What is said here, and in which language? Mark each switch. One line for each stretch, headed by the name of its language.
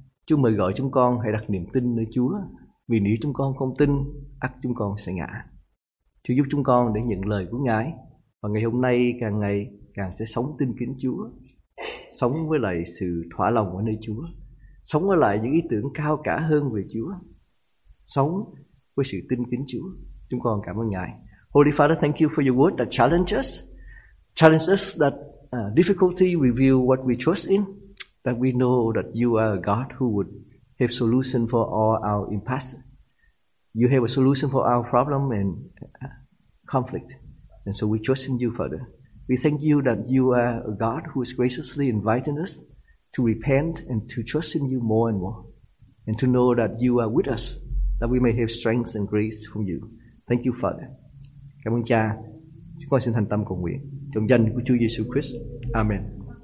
Vietnamese: Chúa mời gọi chúng con hãy đặt niềm tin nơi Chúa, vì nếu chúng con không tin, ắt chúng con sẽ ngã. Chúa giúp chúng con để nhận lời của Ngài, và ngày hôm nay càng ngày càng sẽ sống tin kính Chúa, sống với lại sự thỏa lòng ở nơi Chúa, sống với lại những ý tưởng cao cả hơn về Chúa, sống với sự tin kính Chúa. Chúng con cảm ơn Ngài.
English: Holy Father, thank you for your word that challenges us that difficulty reveal what we trust in, that we know that you are a God who would have solution for all our impasse. You have a solution for our problem and conflict, and so we trust in you, Father. We thank you that you are a God who is graciously inviting us to repent and to trust in you more and more, and to know that you are with us, that we may have strength and grace from you. Thank you, Father.
Vietnamese: Cảm ơn Cha. Chúng con xin thành tâm cầu nguyện trong danh của Chúa Giêsu Christ. Amen.